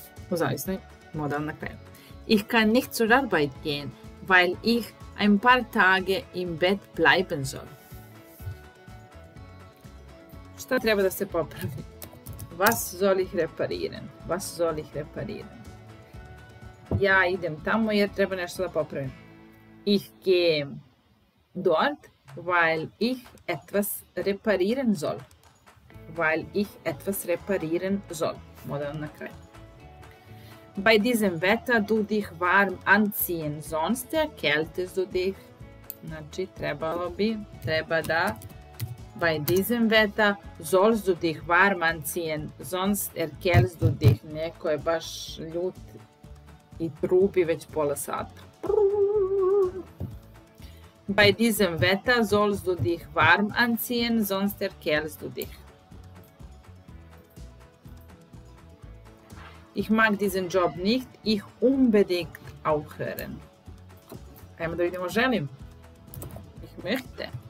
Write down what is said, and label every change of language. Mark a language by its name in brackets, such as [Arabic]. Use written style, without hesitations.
[Serbian] U zavisnoj model na kraju. [German] Ich kann nicht zur Arbeit gehen, weil ich ein paar Tage im Bett bleiben soll. [Serbian] Šta treba da se popravi? [German] Was soll ich reparieren? Was soll ich reparieren? [Serbian] Ja idem tamo jer treba nešto da popravim. [German] Ich gehe dort, weil ich etwas reparieren soll. Weil ich etwas reparieren soll. [Serbian] Model na kraju. [German] Bei diesem Wetter du dich warm anziehen, sonst erkältest du dich. [Serbian] Znači, trebalo bi, treba da. [German] Bei diesem Wetter sollst du dich warm anziehen, sonst erkältest du dich. [Serbian] Neko je baš ljut i trubi već pola sata. [German] Bei diesem Wetter sollst du dich warm anziehen, sonst erkältest du dich. Ich mag diesen Job nicht, ich unbedingt aufhören. Einmal durch die Moschelle. Ich möchte.